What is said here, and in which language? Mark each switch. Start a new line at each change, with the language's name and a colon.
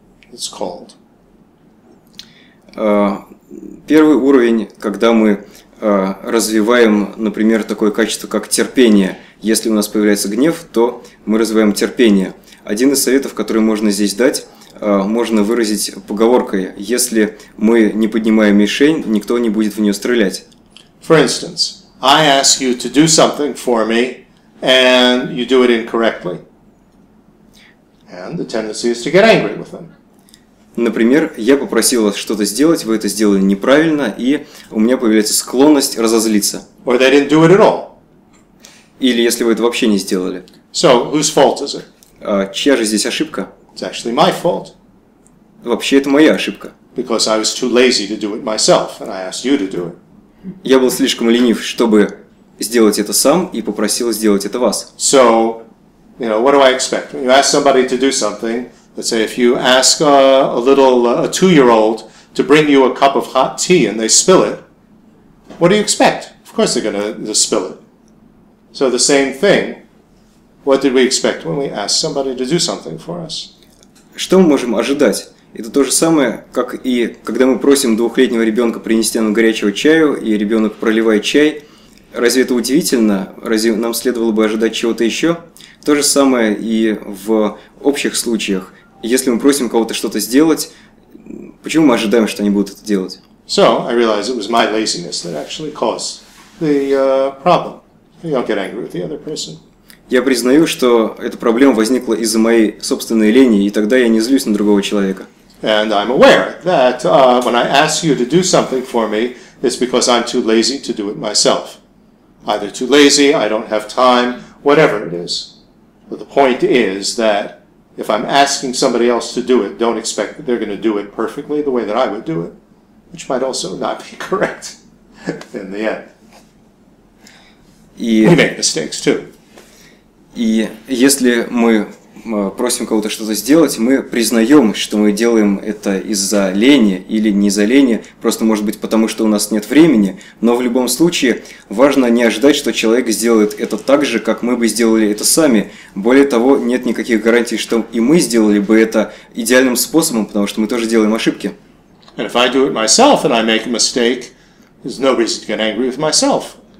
English: It's called.
Russian: Первый уровень, когда мы развиваем, например, такое качество, как терпение. Если у нас появляется гнев, то мы развиваем терпение. Один из советов, который можно здесь дать, можно выразить поговоркой. Если мы не поднимаем мишень, никто не будет в нее стрелять.
English: For instance, I ask you to do something for me, and you do it incorrectly. And the tendency is to get angry with them.
Russian: Например, я попросил вас что-то сделать, вы это сделали неправильно, и у меня появляется склонность разозлиться.
English: Or they didn't do it at all.
Russian: Или если вы это вообще не сделали.
English: So, whose fault is it?
Russian: Чья же здесь ошибка?
English: It's actually my fault.
Russian: Вообще, это моя ошибка.
English: Because I was too lazy to do it myself, and I asked you to do it.
Russian: Я был слишком ленив, чтобы сделать это сам, и попросил сделать это вас.
English: So, you know, what do I expect? When you ask somebody to do something, let's say if you ask a two-year-old to bring you a cup of hot tea and they spill it, what do you expect? Of course they're going to spill it. So the same thing. What did we expect when we ask somebody to do something for us?
Russian: Что мы можем ожидать? Это то же самое, как и когда мы просим двухлетнего ребенка принести нам горячего чаю, и ребенок проливает чай. Разве это удивительно? Разве нам следовало бы ожидать чего-то еще? То же самое и в общих случаях. Если мы просим кого-то что-то сделать, почему мы ожидаем, что они будут это делать?
English: So, I realized it was my laziness that actually caused the problem. You don't get angry with the other person.
Russian: Я признаю, что эта проблема возникла из-за моей собственной лени, и тогда я не злюсь на другого человека.
English: And I'm aware that when I ask you to do something for me, it's because I'm too lazy to do it myself. Either too lazy, I don't have time, whatever it is. But the point is that if I'm asking somebody else to do it, don't expect that they're going to do it perfectly the way that I would do it, which might also not be correct in the end.
Russian: И...
English: We make mistakes too.
Russian: И если мы просим кого-то что-то сделать, мы признаем, что мы делаем это из-за лени или не из-за лени, просто может быть потому, что у нас нет времени, но в любом случае важно не ожидать, что человек сделает это так же, как мы бы сделали это сами. Более того, нет никаких гарантий, что и мы сделали бы это идеальным способом, потому что мы тоже делаем ошибки.
English: And if I do it myself and I make a mistake, there's no reason to get angry with myself.